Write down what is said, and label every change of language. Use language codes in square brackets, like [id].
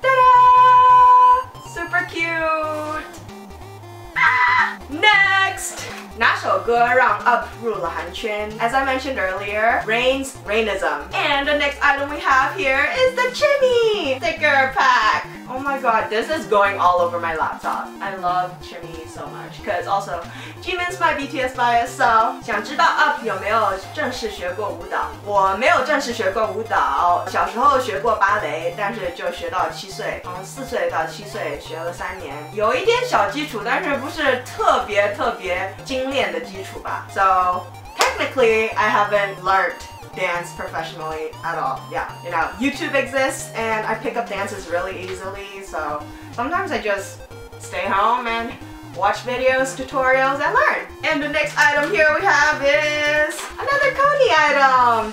[en] Ta-da! Super cute! Next! [zh] 哪首歌让up入了韩圈? [en] As I mentioned earlier, Rain's Rainism. And the next item we have here is the Chimmy sticker pack! Oh my God, this is going all over my laptop. I love Chimmy so much, because also, Jimin's my BTS bias, so... [zh] 想知道up有没有正式学过舞蹈?我没有正式学过舞蹈,小时候学过芭蕾,但是就学到7岁, 4岁到7岁学了3年, 有一点小基础,但是不是特别精炼的基础吧。 [en] So, technically, I haven't learned dance professionally at all. Yeah, you know, YouTube exists and I pick up dances really easily, so sometimes I just stay home and watch videos, tutorials, and learn. And the next item here we have is another Coty item.